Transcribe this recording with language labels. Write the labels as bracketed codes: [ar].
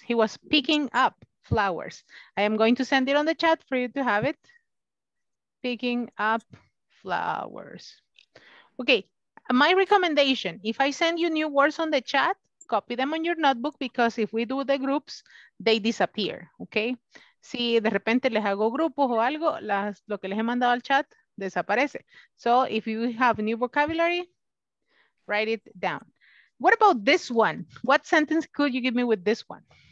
[en] He was picking up flowers. I am going to send it on the chat for you to have it. Picking up flowers. Okay, my recommendation, if I send you new words on the chat, copy them on your notebook because if we do the groups, they disappear, okay? [es] Si de repente les hago grupos o algo, lo que les he mandado al chat desaparece. [en] So if you have new vocabulary, write it down. What about this one? What sentence could you give me with this one?